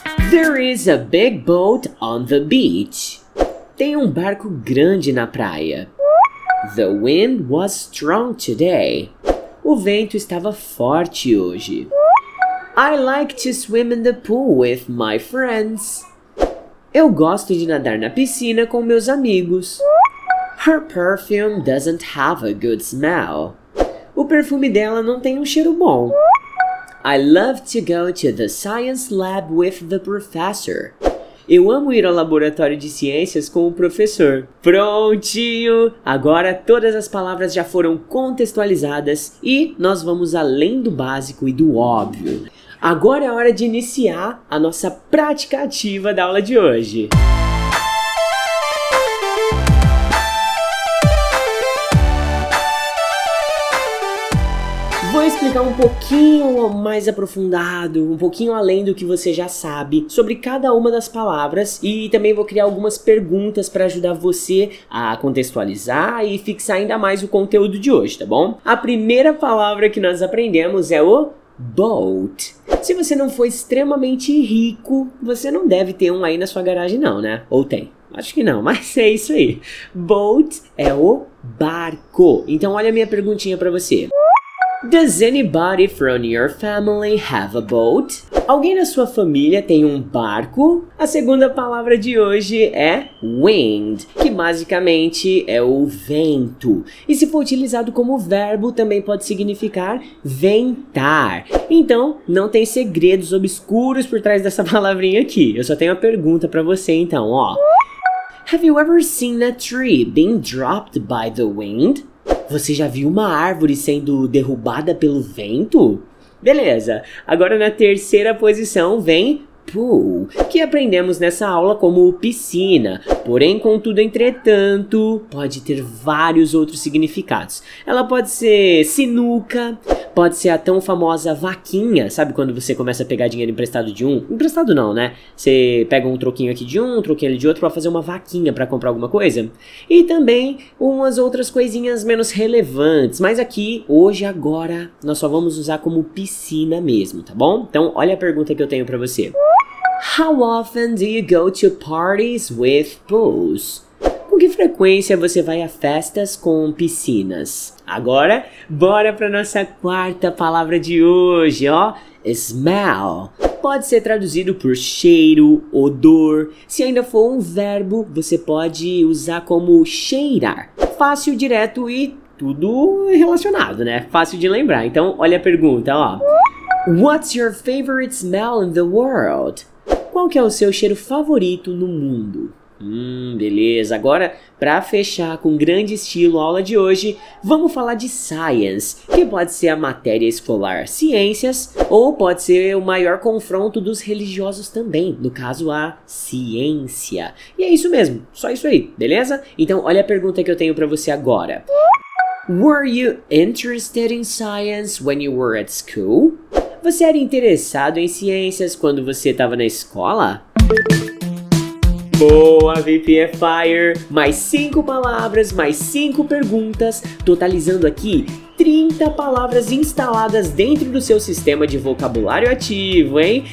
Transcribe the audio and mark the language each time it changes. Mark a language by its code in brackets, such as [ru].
[en] There is a big boat on the beach. [pt] Tem um barco grande na praia. [en] The wind was strong today. [pt] O vento estava forte hoje. [en] I like to swim in the pool with my friends. [pt] Eu gosto de nadar na piscina com meus amigos. [en] Her perfume doesn't have a good smell. [pt] O perfume dela não tem um cheiro bom. [en] I love to go to the science lab with the professor. [pt] Eu amo ir ao laboratório de ciências com o professor. Prontinho! Agora todas as palavras já foram contextualizadas e nós vamos além do básico e do óbvio. Agora é hora de iniciar a nossa prática ativa da aula de hoje. Vou explicar um pouquinho mais aprofundado, um pouquinho além do que você já sabe sobre cada uma das palavras e também vou criar algumas perguntas para ajudar você a contextualizar e fixar ainda mais o conteúdo de hoje, tá bom? A primeira palavra que nós aprendemos é o boat. Se você não for extremamente rico, você não deve ter um aí na sua garagem não, né? Ou tem? Acho que não, mas é isso aí. Boat é o barco. Então olha a minha perguntinha para você. [en] Does anybody from your family have a boat? [pt] Alguém na sua família tem um barco? A segunda palavra de hoje é wind, que basicamente é o vento. E se for utilizado como verbo, também pode significar ventar. Então, não tem segredos obscuros por trás dessa palavrinha aqui. Eu só tenho uma pergunta pra você então, ó. [en] Have you ever seen a tree being dropped by the wind? [pt] Você já viu uma árvore sendo derrubada pelo vento? Beleza, agora na terceira posição vem pool, que aprendemos nessa aula como piscina. Porém, contudo, entretanto, pode ter vários outros significados. Ela pode ser sinuca, pode ser a tão famosa vaquinha, sabe quando você começa a pegar dinheiro emprestado de um? Emprestado não, né? Você pega um troquinho aqui de um troquinho ali de outro pra fazer uma vaquinha pra comprar alguma coisa. E também umas outras coisinhas menos relevantes. Mas aqui, hoje, agora, nós só vamos usar como piscina mesmo, tá bom? Então, olha a pergunta que eu tenho pra você. [en] How often do you go to parties with pools? [pt] Com que frequência você vai a festas com piscinas? Agora, bora para nossa quarta palavra de hoje, ó. Smell. Pode ser traduzido por cheiro, odor. Se ainda for um verbo, você pode usar como cheirar. Fácil, direto e tudo relacionado, né? Fácil de lembrar. Então, olha a pergunta, ó. [en] What's your favorite smell in the world? [pt] Qual que é o seu cheiro favorito no mundo? Beleza. Agora, para fechar com grande estilo a aula de hoje, vamos falar de science, que pode ser a matéria escolar ciências, ou pode ser o maior confronto dos religiosos também, no caso a ciência. E é isso mesmo, só isso aí, beleza? Então, olha a pergunta que eu tenho para você agora. [en] Were you interested in science when you were at school? [pt] Você era interessado em ciências quando você estava na escola? Boa, VPF Fire! Mais 5 palavras, mais 5 perguntas, totalizando aqui 30 palavras instaladas dentro do seu sistema de vocabulário ativo, hein?